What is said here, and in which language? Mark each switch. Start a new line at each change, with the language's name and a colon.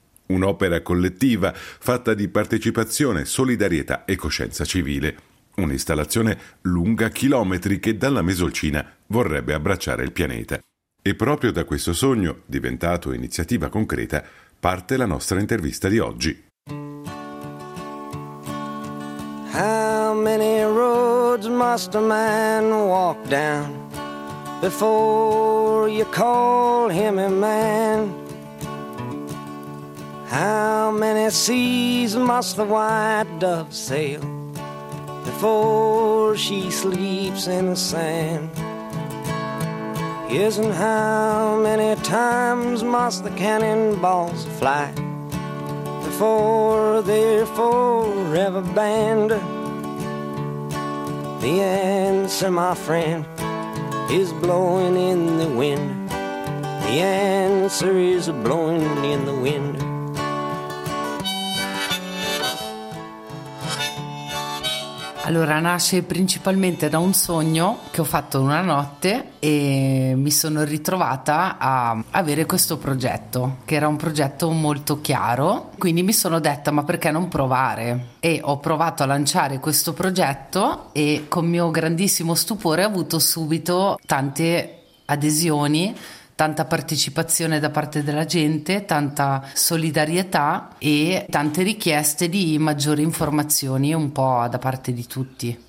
Italian: Un'opera collettiva fatta di partecipazione, solidarietà e coscienza civile. Un'installazione lunga chilometri che dalla Mesolcina vorrebbe abbracciare il pianeta. E proprio da questo sogno, diventato iniziativa concreta, parte la nostra intervista di oggi.
English: How many roads must a man walk down before you call him a man? How many seas must the white dove sail before she sleeps in the sand? Yes, and how many times must the cannonballs fly before they're forever banned? The answer, my friend, is blowing in the wind. The answer is blowing in the wind.
Italian: Allora, nasce principalmente da un sogno che ho fatto una notte e mi sono ritrovata a avere questo progetto, che era un progetto molto chiaro. Quindi mi sono detta, ma perché non provare? E ho provato a lanciare questo progetto e con mio grandissimo stupore ho avuto subito tante adesioni, tanta partecipazione da parte della gente, tanta solidarietà e tante richieste di maggiori informazioni un po' da parte di tutti.